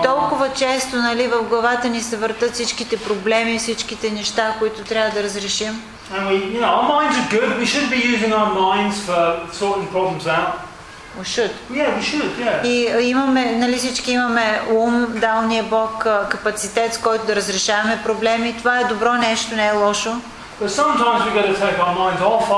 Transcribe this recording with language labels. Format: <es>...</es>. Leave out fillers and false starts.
<bg>И толкова често, нали, в главата ни се въртат всичките проблеми, всичките неща, които трябва да разрешим.</bg> <en>And we, you know, our minds are good. We should be using our minds for sorting problems out. We should. Yeah, we should. Yeah.</en> <bg>И имаме, нали, всички имаме ум, дал ни е Бог капацитет, с който да разрешаваме проблеми. Това е добро нещо, не е лошо.</bg> <en>But sometimes we got to take our minds off.</en>